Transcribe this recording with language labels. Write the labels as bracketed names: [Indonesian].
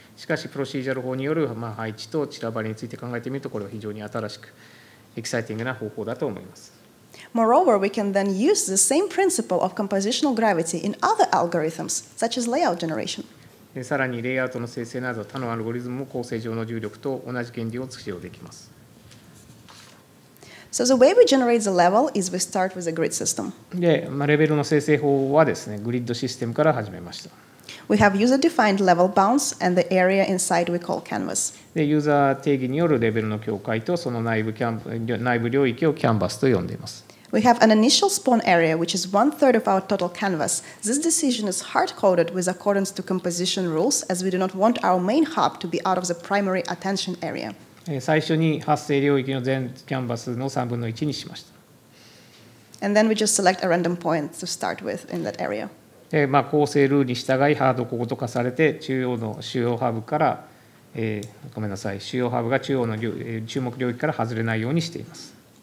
[Japanese] しかし、プロシージャル法による、まあ、配置と散らばりについて考えてみると、これは非常に新しく、エキサイティングな方法だと思います。 [English] Moreover, we can then use the same principle of compositional gravity in other algorithms, such as layout generation. [Japanese] さらに、レイアウトの生成など、他のアルゴリズムも構成上の重力と同じ原理を使用できます。 [English] So the way we generate the level is we start with a grid system. [Japanese] で、まあ、レベルの生成法はですね、グリッドシステムから始めました。 [English] We have user-defined level bounds and the area inside we call canvas. [Japanese] で、ユーザー定義によるレベルの境界とその内部領域をキャンバスと呼んでいます。 [English] We have an initial spawn area which is one-third of our total canvas. This decision is hard-coded with accordance to composition rules as we do not want our main hub to be out of the primary attention area. [Japanese] 最初に発生領域の全キャンバスの3分の1にしました。 [English] And then we just select a random point to start with in that area. [Japanese] まあ、構成ルールに従いハードコード化されて中央の主要ハブから、ごめんなさい、主要ハブが中央の注目領域から外れないようにしています。